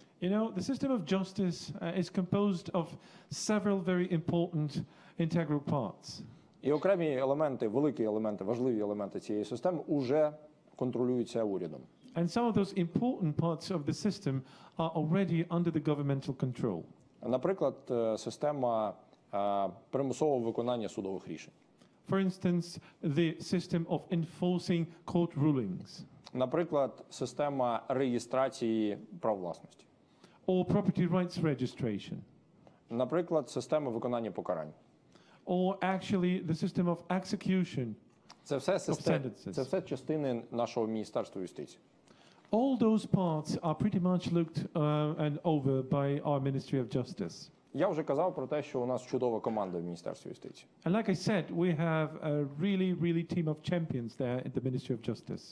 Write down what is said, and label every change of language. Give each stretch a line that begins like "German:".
English: You know, the system of justice is composed of several very important integral parts.
Ukrainian: І окремі елементи, великі елементи, важливі елементи цієї системи уже контролюються урядом.
English: And some of those important parts of the system are already under the governmental control.
Ukrainian: Наприклад, система примусового виконання судових рішень.
English: For instance, the system of enforcing court rulings.
Ukrainian: Наприклад, система реєстрації прав власності.
English: Or property rights registration.
Ukrainian: Наприклад, система виконання покарань.
English: Or actually the system of execution.
Ukrainian: Це все це все частини нашого Міністерства юстиції.
English: All those parts are pretty much looked and over by our Ministry of Justice.
Ukrainian: Я вже казав про те, що у нас чудова команда в Міністерстві юстиції.
English: And like I said, we have a really, really team of champions there in the Ministry of Justice.